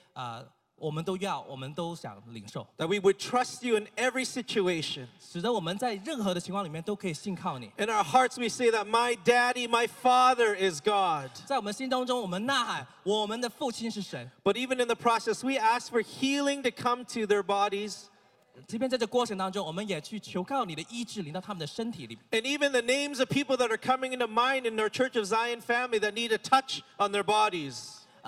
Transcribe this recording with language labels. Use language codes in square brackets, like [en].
[zh] 所以父啊，你放在我们宝贵的我们的父老爸爸妈妈们心中这些，我们都要，我们都想领受。 [en] That we would trust you in every situation. [zh] 使得我们在任何的情况里面都可以信靠你。 [en] In our hearts we say that my daddy, my father is God. [zh] 在我们心当中我们呐喊，我们的父亲是神。 [en] But even in the process, we ask for healing to come to their bodies. [zh] 即便在这过程当中，我们也去求告你的医治临到他们的身体里。 [en] And even the names of people that are coming into mind in their Church of Zion family that need a touch on their bodies.